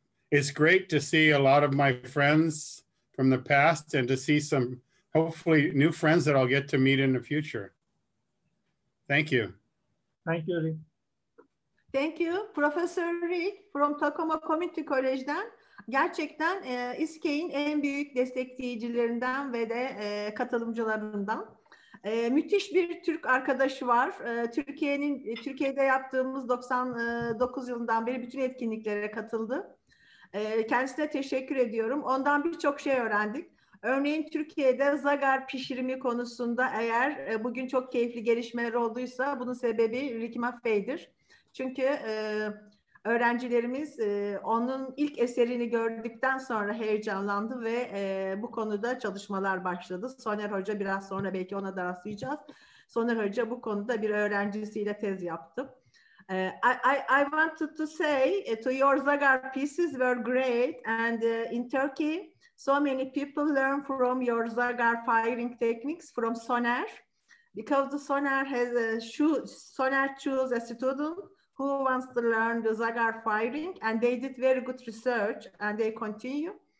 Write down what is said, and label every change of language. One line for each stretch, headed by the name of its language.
English: It's great to see a lot of my friends from the past and to see some hopefully new friends that I'll get to meet in the future. Thank you. Thank you, Lee. Thank you, Professor Lee from Tacoma Community College'den.
Turkish: Gerçekten İSKE'in en büyük destekleyicilerinden ve de katılımcılarından. Müthiş bir Türk arkadaşı var. Türkiye'de yaptığımız 99 yılından beri bütün etkinliklere katıldı. Kendisine teşekkür ediyorum. Ondan birçok şey öğrendik. Örneğin Türkiye'de zagar pişirimi konusunda eğer bugün çok keyifli gelişmeler olduysa bunun sebebi Rikmaf Bey'dir. Çünkü öğrencilerimiz onun ilk eserini gördükten sonra heyecanlandı ve bu konuda çalışmalar başladı. Soner Hoca biraz sonra belki ona da rastlayacağız. Soner Hoca bu konuda bir öğrencisiyle tez yaptı.
English: I wanted to say to your zagar pieces were great and in Turkey so many people learn from your zagar firing techniques from Soner. Because Soner has a Soner chose a student who wants to learn the zagar firing, and they did very good research and they continue.